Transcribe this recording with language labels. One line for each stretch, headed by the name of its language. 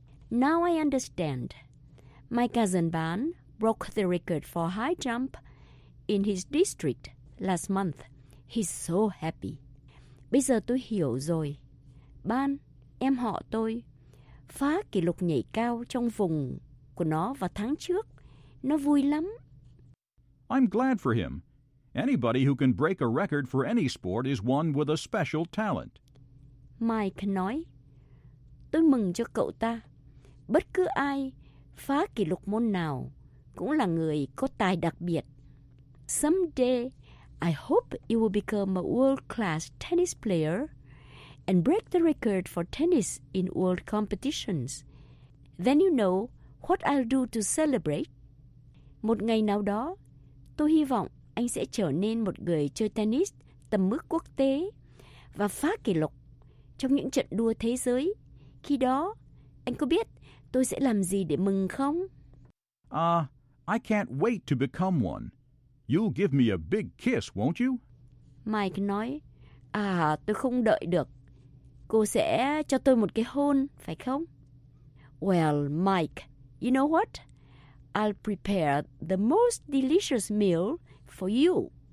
English: Now I understand. My cousin Ban broke the record for high jump in his district last month. He's so happy.
Vietnamese: Bây giờ tôi hiểu rồi. Ban, em họ tôi, phá kỷ lục nhảy cao trong vùng của nó vào tháng trước. Nó vui lắm.
English: I'm glad for him. Anybody who can break a record for any sport is one with a special talent.
Vietnamese: Mike nói, tôi mừng cho cậu ta. Bất cứ ai phá kỷ lục môn nào cũng là người có tài đặc biệt.
English: Someday, I hope you will become a world-class tennis player and break the record for tennis in world competitions. Then you know what I'll do to celebrate.
Vietnamese: Một ngày nào đó, tôi hy vọng anh sẽ trở nên một người chơi tennis tầm mức quốc tế và phá kỷ lục trong những trận đua thế giới. Khi đó, anh có biết tôi sẽ làm gì để mừng không?
English: I can't wait to become one. You'll give me a big kiss, won't you?
Vietnamese: Mike nói, tôi không đợi được. Cô sẽ cho tôi một cái hôn, phải không?
English: Well, Mike, you know what? I'll prepare the most delicious meal for you.